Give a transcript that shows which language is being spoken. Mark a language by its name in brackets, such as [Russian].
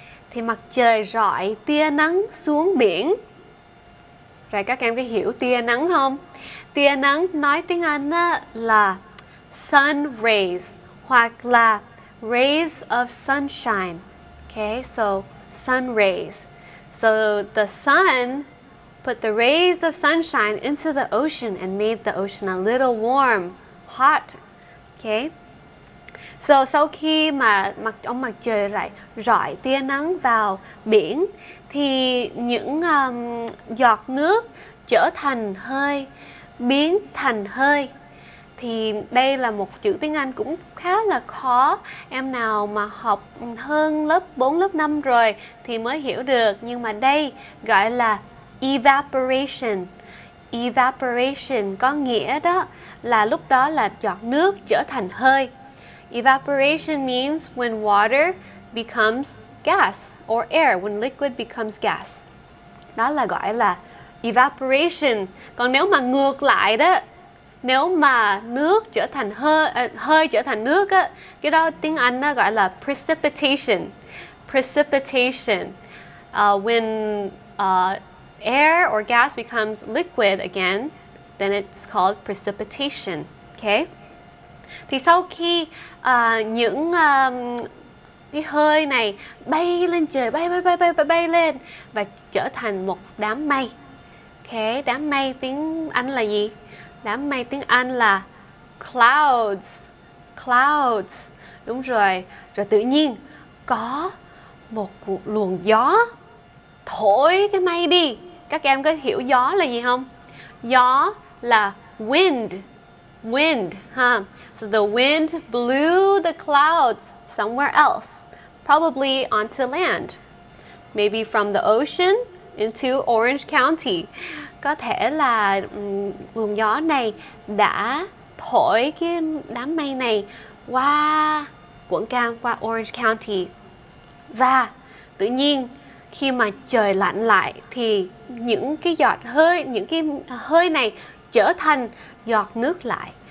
[Vietnamese] Thì mặt trời rọi tia nắng xuống biển. Rồi các em có hiểu tia nắng không? Tia nắng nói tiếng Anh là sun rays hoặc là [English] rays of sunshine. Okay, so sun rays. So the sun put the rays of sunshine into the ocean and made the ocean a little warm, hot. Okay. [Vietnamese] So sau khi mà ông mặt trời lại rọi tia nắng vào biển thì những giọt nước trở thành hơi, biến thành hơi. Thì đây là một chữ tiếng Anh cũng khá là khó. Em nào mà học hơn lớp 4, lớp 5 rồi thì mới hiểu được. Nhưng mà đây gọi là evaporation. Evaporation có nghĩa đó là lúc đó là giọt nước trở thành hơi. [English] Evaporation means when water becomes gas or air, when liquid becomes gas. [Vietnamese] Đó là gọi là evaporation. Còn nếu mà ngược lại đó, nếu mà nước trở thành hơi, hơi trở thành nước á, cái đó tiếng Anh nó gọi là precipitation. [English] Precipitation. When air or gas becomes liquid again, then it's called precipitation. Okay? [Vietnamese] Thì sau khi những cái hơi này bay lên trời, bay lên và trở thành một đám mây. Okay, đám mây tiếng Anh là gì? Đám mây tiếng Anh là clouds. Clouds. Đúng rồi. Rồi tự nhiên có một luồng gió thổi cái mây đi. Các em có hiểu gió là gì không? Gió là wind. Wind, huh? [English] So the wind blew the clouds somewhere else, probably onto land, maybe from the ocean into Orange County. [Vietnamese] Có thể là luồng gió này đã thổi cái đám mây này qua Quảng Cam, qua Orange County. Và tự nhiên khi mà trời lạnh lại thì những cái giọt hơi, những cái hơi này trở thành giọt nước lại.